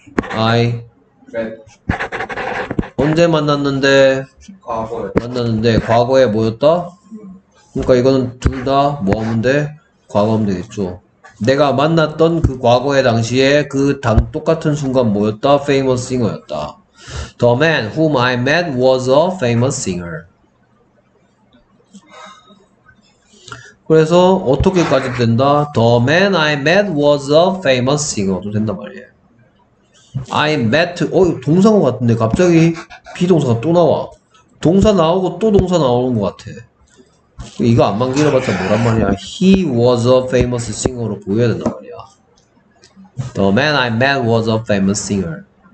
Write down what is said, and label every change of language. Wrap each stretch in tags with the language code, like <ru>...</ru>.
<ko>I 언제 만났는데? 만났는데 과거에 뭐였다? 그러니까 이거는 둘다 뭐하면 돼? 과거하면 되겠죠. 내가 만났던 그 과거의 당시에 그당 똑같은 순간 뭐였다?</ko> <en>Famous singer였다. The man whom I met was a famous singer.</en> <ko>그래서 어떻게까지 된다?</ko> <en>The man I met was a famous singer</en> <ko>도 된단 말이에요.</ko> <en>I met</en> <ko>동사인 것 같은데 갑자기 비동사가 또 나와. 동사 나오고 또 동사 나오는 것 같아. 이거 안만 길어봤자 뭐란 말이야?</ko> <en>He was a famous singer</en> <ko>로 보여야 된단 말이야.</ko> <en>The man I met was a famous singer.</en>